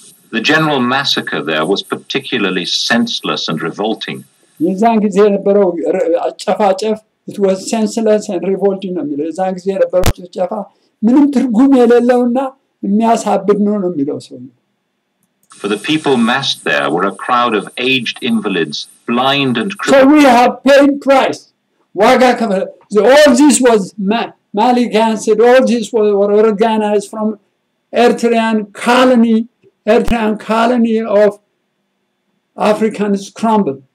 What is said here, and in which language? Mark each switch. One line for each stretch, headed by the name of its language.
English: The general massacre there was particularly senseless and revolting. It was senseless and revolting.
Amharic: ምንም ትርጉም የሌለውና የሚያሳብድ ነው የሚለው ሰው.
English: For the people massed there were a crowd of aged invalids, blind and crippled. So we have paid price.
Amharic: ዋጋ ከፈለ.
English: All this was malignant. All this was organized from Eritrean colony. Eritrean colony of African scramble.